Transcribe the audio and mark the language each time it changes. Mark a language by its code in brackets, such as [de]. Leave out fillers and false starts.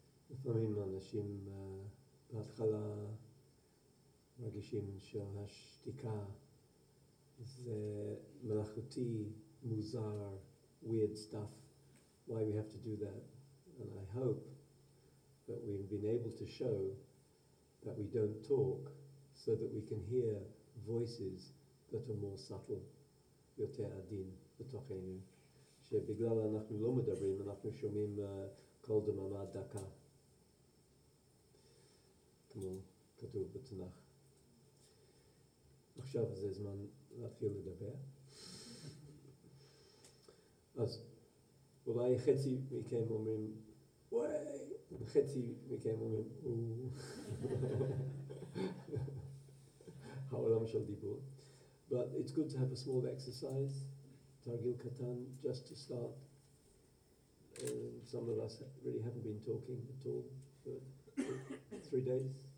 [he] לפעמים אנשים בהתחלה מרגישים שהשתיקה זה מלאכותי, מוזר, [en] weird stuff, why we have to do that, and I hope that we've been able to show that we don't talk so that we can hear voices that are more subtle. [he] יותר עדין בתוכנו, שבגלל אנחנו לא מדברים, אנחנו שומעים כל דממה דקה, כמו כתוב בתנך. עכשיו זה זמן להתחיל לדבר. אז אולי חצי מכם אומרים, וואי, וחצי מכם אומרים, אוו. העולם של דיבור. [en] But it's good to have a small exercise, [he] Targil Katan, [en] just to start. Some of us really haven't been talking at all for 3 days.